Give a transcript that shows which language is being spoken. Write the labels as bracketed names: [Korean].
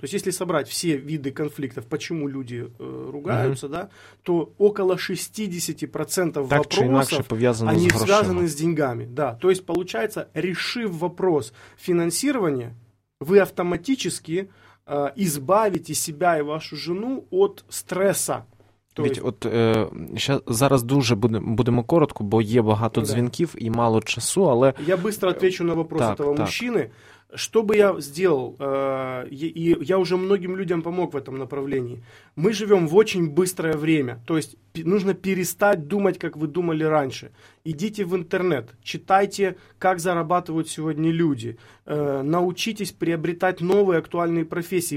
[Russian] То есть, если собрать все виды конфликтов, почему люди ругаются, да, то около 60% так вопросов, иначе, они связаны с деньгами. Да, то есть, получается, решив вопрос финансирования, вы автоматически избавите себя и вашу жену от стресса. То ведь есть... [Ukrainian] от ще зараз дуже будемо коротко, бо є багато дзвінків і мало часу, але я швидко відповім на вопрос так, [Russian] этого так. мужчины. Что бы я сделал, и я уже многим людям помог в этом направлении. Мы живем в очень быстрое время, то есть нужно перестать думать, как вы думали раньше. Идите в интернет, читайте, как зарабатывают сегодня люди, научитесь приобретать новые актуальные профессии.